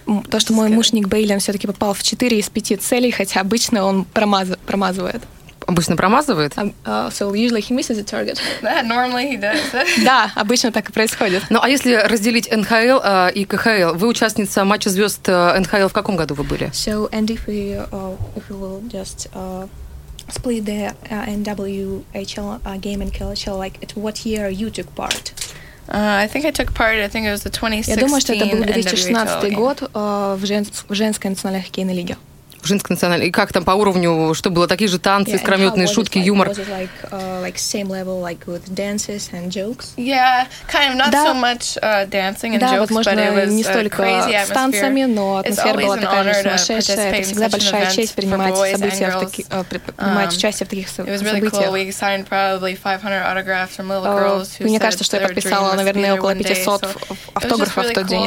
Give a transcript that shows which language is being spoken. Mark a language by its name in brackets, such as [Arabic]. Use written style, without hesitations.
[Russian] То, что мой муж Ник Бейлен все-таки попал в 4 из 5 целей, хотя обычно он промазывает. Обычно промазывает? [English] So usually he misses a target. Normally he does. [Russian] Да, обычно так и происходит. Ну, а если разделить НХЛ и КХЛ, вы участница матча звезд НХЛ в каком году вы были? [English] So, and if we will just... Split the NWHL game and KHL, like, at what year you took part? I think it was the 2016 [Russian] NWHL game. Я думаю, что это был 2016 год в женской национальной хоккейной лиге. В женской национальной. И как там по уровню, что было, такие же танцы, искрометные шутки, [English] like, [Russian] юмор? [English] Was it like same level, like, with dances and jokes? Yeah, kind of, not so much dancing and jokes, [Russian] возможно, [English] but it was a crazy atmosphere. [Russian] Да, возможно, не столько с танцами, но атмосфера была такая же сумасшедшая. Это всегда большая честь принимать события участие в таких событиях. [English] It was really cool. We signed probably 500 autographs from little girls who said their [Russian] Мне кажется, что я подписала, наверное, около 500 автографов в тот день.